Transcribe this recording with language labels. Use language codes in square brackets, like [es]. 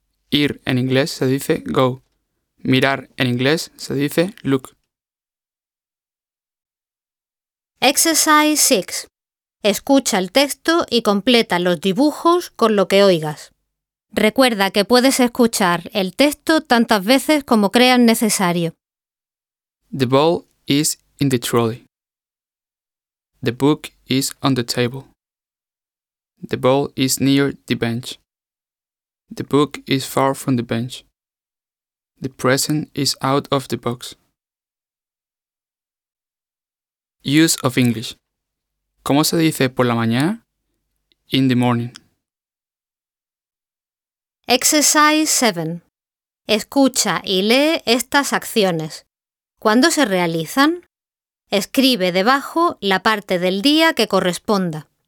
[es] Ir en inglés se dice go. Mirar en inglés se dice look. [en] Exercise 6. [es] Escucha el texto y completa los dibujos con lo que oigas. Recuerda que puedes escuchar el texto tantas veces como creas necesario. [en] The ball is in the trolley. The book is on the table. The ball is near the bench. The book is far from the bench. The present is out of the box. Use of English. [es] ¿Cómo se dice por la mañana? [en] In the morning. Exercise 7. [es] Escucha y lee estas acciones. ¿Cuándo se realizan? Escribe debajo la parte del día que corresponda.